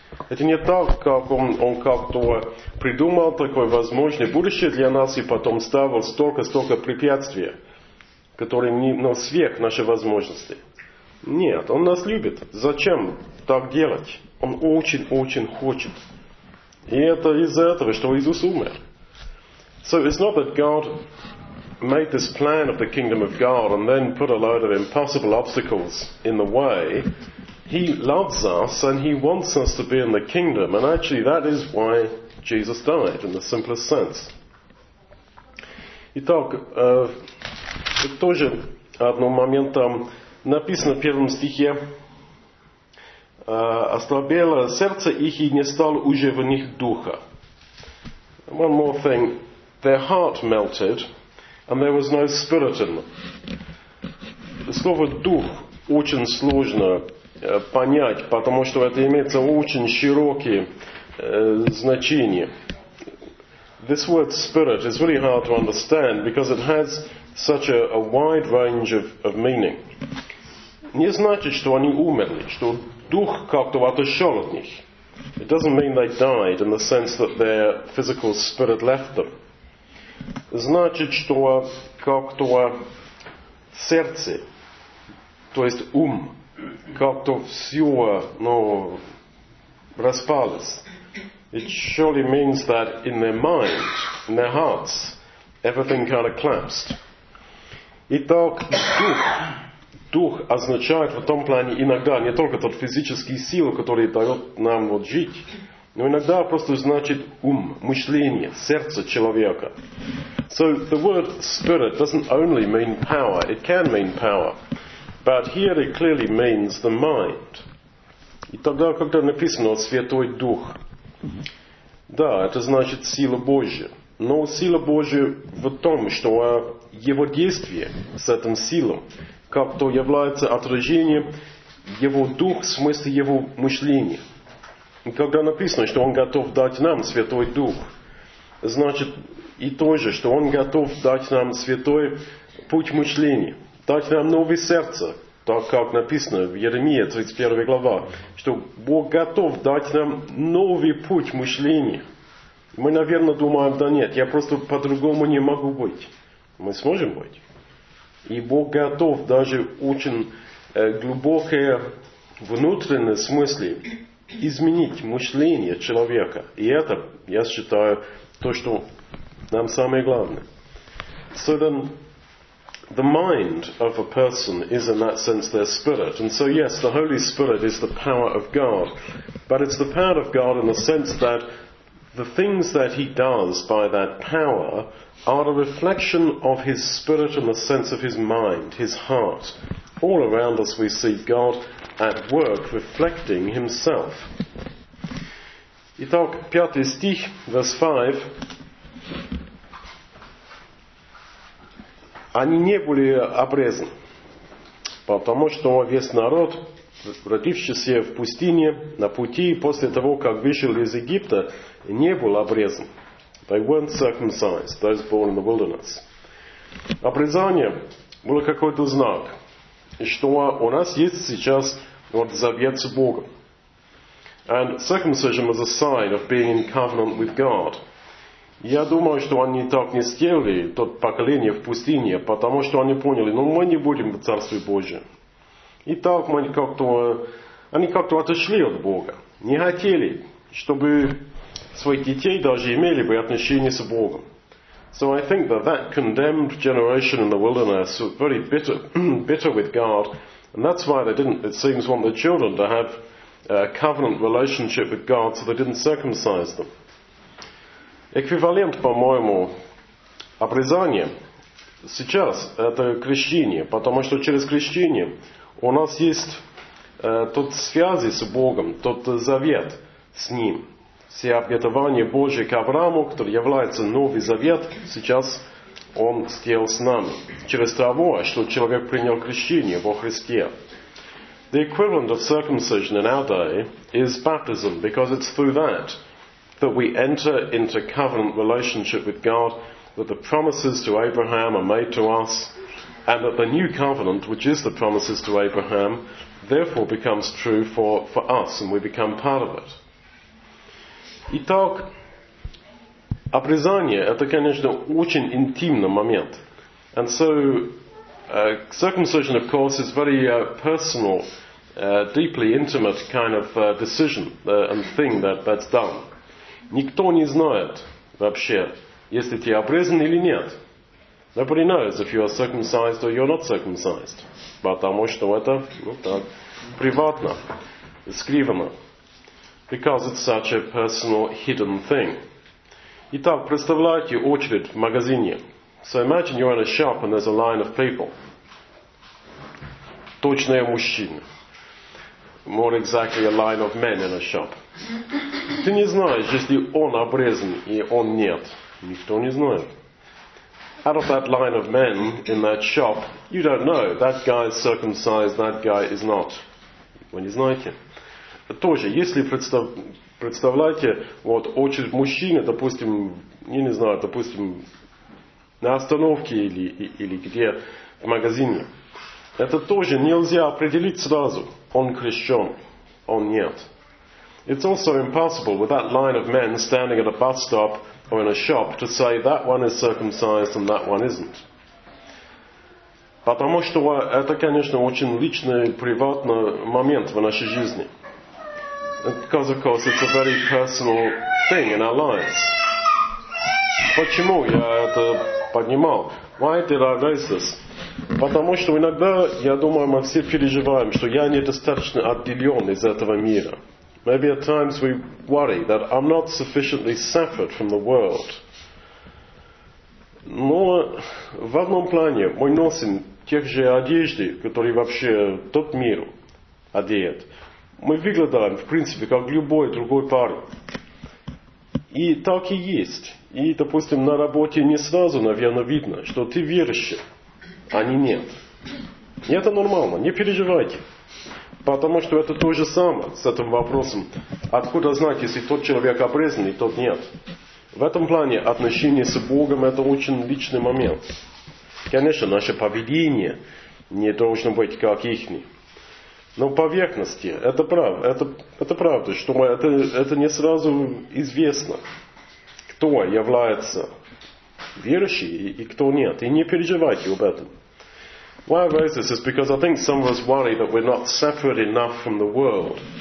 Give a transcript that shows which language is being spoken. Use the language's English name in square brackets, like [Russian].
[Russian] Это не так, как Он как-то придумал такое возможное будущее для нас и потом ставил столько-столько препятствий. который не, ну, сверх наши возможности. Нет, Он нас любит. Зачем так делать? Он очень-очень хочет. И это из-за этого, что Иисус умер. [English] So it's not that God made this plan of the kingdom of God and then put a load of impossible obstacles in the way. He loves us and He wants us to be in the kingdom. And actually that is why Jesus died, in the simplest sense. [Russian] Итак, тоже одним моментом написано в первом стихе. Ослабело сердце их и не стало уже в них духа. [English] One more thing. Their heart melted and there was no spirit in them. [Russian] Слово «дух» очень сложно понять, потому что это имеется очень широкие значения. [English] This word «spirit» is really hard to understand because it has such a wide range of meaning. [Russian] Не значит, что они умерли, что дух как-то отошел от них. [English] It doesn't mean they died in the sense that their physical spirit left them. [Russian] Значит, что как-то сердце, то есть ум, как-то все, ну, распалось. [English] It surely means that in their mind, in their hearts, everything kind of collapsed. [Russian] Итак, дух означает в том плане иногда не только тот физический сил, который дает нам вот жить, но иногда просто значит ум, мышление, сердце человека. [English] So the word spirit doesn't only mean power, it can mean power, but here it clearly means the mind. [Russian] И тогда, когда написано «Святой Дух», да, это значит сила Божья. Но сила Божья в том, что его действие с этим силом как-то является отражением его дух в смысле его мышления. И когда написано, что он готов дать нам Святой Дух, значит и то же, что он готов дать нам святой путь мышления, дать нам новое сердце, так как написано в Иеремии 31 глава, что Бог готов дать нам новый путь мышления. Мы, наверное, думаем, да нет, я просто по-другому не могу быть. Мы сможем быть. И Бог готов даже очень глубокие внутренние смыслы изменить мышление человека. И это, я считаю, то, что нам самое главное. [English] So then, the mind of a person is in that sense their spirit. And so, yes, the Holy Spirit is the power of God. But it's the power of God in the sense that the things that he does by that power are a reflection of his spirit in the sense of his mind, his heart. All around us we see God at work reflecting himself. [Russian] Итак, пятый стих, [English] verse 5. [Russian] Они не были обрезаны, потому что весь народ, родившийся в пустыне, на пути после того, как вышел из Египта, не был обрезан. [English] They weren't circumcised, those born in the wilderness. [Russian] Обрезание было какой-то знак, что у нас есть сейчас вот завет с Богом. [English] And circumcision was a sign of being in covenant with God. [Russian] Я думаю, что они так не сделали, то поколение в пустыне, потому что они поняли, ну мы не будем в Царстве Божьем. И так мы как-то, они как-то отошли от Бога. Не хотели, чтобы своих детей даже имели бы отношения с Богом. [English] So I think that that condemned generation in the wilderness was very bitter, bitter with God, and that's why they didn't, it seems, want their children to have a covenant relationship with God, so they didn't circumcise them. [Russian] Эквивалент, по-моему, обрезание сейчас – это крещение, потому что через крещение у нас есть тот связи с Богом, тот завет с Ним. Все обетования Божьи к Аврааму, который является Новый Завет, сейчас он сделал с нами. Через того, что человек принял крещение во Христе. [English] The equivalent of circumcision in our day is baptism, because it's through that that we enter into covenant relationship with God, that the promises to Abraham are made to us, and that the new covenant, which is the promises to Abraham, therefore becomes true for us, and we become part of it. [Russian] Итак, обрезание – это, конечно, очень интимный момент. [English] And so, Circumcision, of course, is very personal, deeply intimate kind of decision and thing that's done. [Russian] Никто не знает вообще, если ты обрезан или нет. [English] Nobody knows if you are circumcised or you're not circumcised. [Russian] Потому что это, ну так, приватно, скрывано. [English] Because it's such a personal, hidden thing. [Russian] Итак, представляете очередь в магазине. [English] So imagine you're in a shop and there's a line of people. [Russian] Точные мужчины. [English] More exactly a line of men in a shop. [Russian] Ты не знаешь, если он обрезан и он нет. Никто не знает. [English] Out of that line of men in that shop, you don't know. That guy is circumcised, that guy is not. [Russian] Вы не знаете. Тоже, если представляете, вот очередь мужчины, допустим, я не знаю, допустим, на остановке или где, в магазине, это тоже нельзя определить сразу, он крещен, он нет. [English] It's also impossible with that line of men standing at a bus stop or in a shop to say that one is circumcised and that one isn't. [Russian] Потому что это, конечно, очень личный, приватный момент в нашей жизни. [English] Because, of course, it's a very personal thing in our lives. [Russian] Почему я это поднимал? [English] Why did I raise this? [Russian] Потому что иногда, я думаю, мы все переживаем, что я недостаточно отделен из этого мира. [English] Maybe at times we worry that I'm not sufficiently separate from the world. [Russian] Но в одном плане мы носим тех же одежды, которые вообще тот мир одеет. Мы выглядаем, в принципе, как любой другой парень. И так и есть. И, допустим, на работе не сразу, наверное, видно, что ты верующий, а не нет. И это нормально, не переживайте. Потому что это то же самое с этим вопросом. Откуда знать, если тот человек обрезан, и тот нет? В этом плане отношения с Богом – это очень личный момент. Конечно, наше поведение не должно быть как их. Но поверхности, это правда, что мы, это не сразу известно, кто является верующим и кто нет. И не переживайте об этом. [English] Why I raise this is because I think some of us worry that we're not separate enough from the world.